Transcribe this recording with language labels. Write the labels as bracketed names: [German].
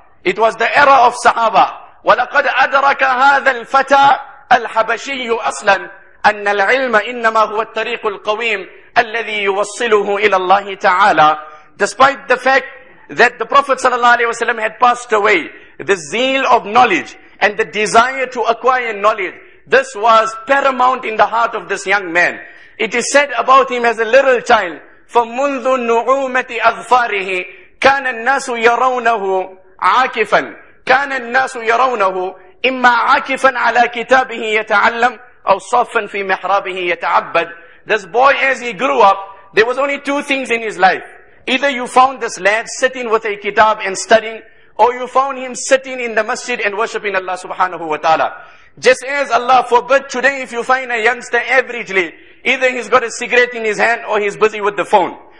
[English] It was the era of Sahaba. [Arabic] وَلَقَدْ أَدْرَكَ هَذَا الْفَتَى الْحَبَشِيُّ أَصْلًا أَنَّ الْعِلْمَ إِنَّمَا هُوَ الطَّرِيقُ الْقَوِيمُ الَّذِي يُوَصِّلُهُ إِلَى اللَّهِ تَعَالَى. [English] Despite the fact that the Prophet sallallahu alaihi wasallam had passed away, the zeal of knowledge and the desire to acquire knowledge, this was paramount in the heart of this young man. It is said about him as a little child, [Arabic] فَمُنْذُ نُعُومَةِ أَغْفَارِهِ كَانَ النَّاسُ يَرَوْنَهُ عَاكِفًا كَانَ النَّاسُ يَرَوْنَهُ إِمَّا عَاكِفًا عَلَى كِتَابِهِ يَتَعَلَّمْ أَوْ صَفًا فِي مِحْرَابِهِ يَتَعَبَّدْ. [English] This boy, as he grew up, there was only two things in his life. Either you found this lad sitting with a kitab and studying, or you found him sitting in the masjid and worshipping Allah subhanahu wa ta'ala. Just as Allah forbid, today if you find a youngster averagely, either he's got a cigarette in his hand or he's busy with the phone.